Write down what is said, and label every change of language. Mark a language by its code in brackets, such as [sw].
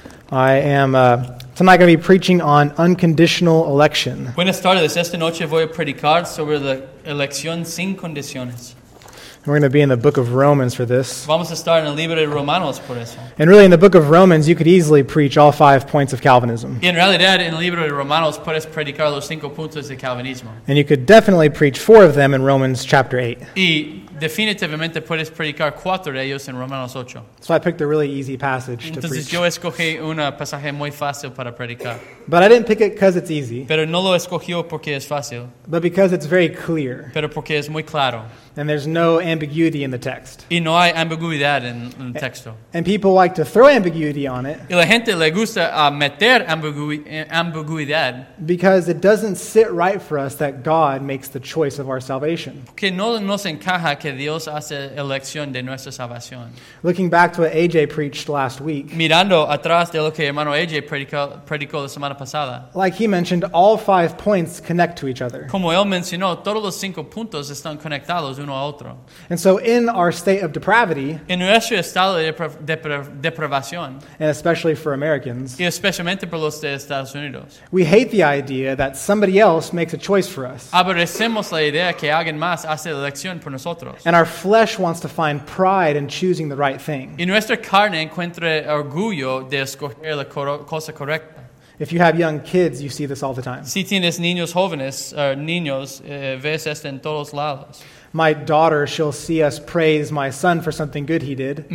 [en] I am tonight going to be preaching on unconditional election. [es] Buenas tardes. Esta noche voy a predicar sobre la elección sin condiciones. [en] And we're going to be in the book of Romans for this. [es] Vamos a estar en el libro de Romanos por eso. [en] And really, in the book of Romans, you could easily preach all 5 points of Calvinism. [es] Y en realidad, en el libro de Romanos puedes predicar los 5 puntos de Calvinismo. [en] And you could definitely preach 4 of them in Romans chapter 8. [es] Y definitivamente puedes predicar 4 de ellos en Romanos 8. [en] So I picked a really easy passage to preach. [es] Entonces yo escogí un pasaje muy fácil para predicar. [en] But I didn't pick it because it's easy. [es] Pero no lo escogió porque es fácil. [en] But because it's very clear. [es] Pero porque es muy claro. [en] And there's no ambiguity in the text. [es] Y no hay ambiguidad en el texto. [en] And people like to throw ambiguity on it. [es] Y la gente le gusta meter ambiguidad. [en] Because it doesn't sit right for us that God makes the choice of our salvation. [es] Porque no nos encaja que Dios hace elección de nuestra salvación. [en] Looking back to what AJ preached last week. [es] Mirando atrás de lo que hermano AJ predicó la semana pasada. [en] Like he mentioned, all 5 points connect to each other. [es] Como él mencionó, todos los 5 puntos están conectados. Uno a otro. [en] And so in our state of depravity, [es] en nuestro estado de depravación, [en] and especially for Americans, [es] y especialmente por los de Estados Unidos, [en] we hate the idea that somebody else makes a choice for us. [es] Aborrecemos la idea que alguien más hace la elección por nosotros. [en] And our flesh wants to find pride in choosing the right thing. [es] Y nuestra carne encuentra orgullo de escoger la cosa correcta. [en] If you have young kids, you see this all the time. [es] Si tienes niños jóvenes, ves esto en todos lados. [en] My daughter, she'll see us praise my son for something good he did.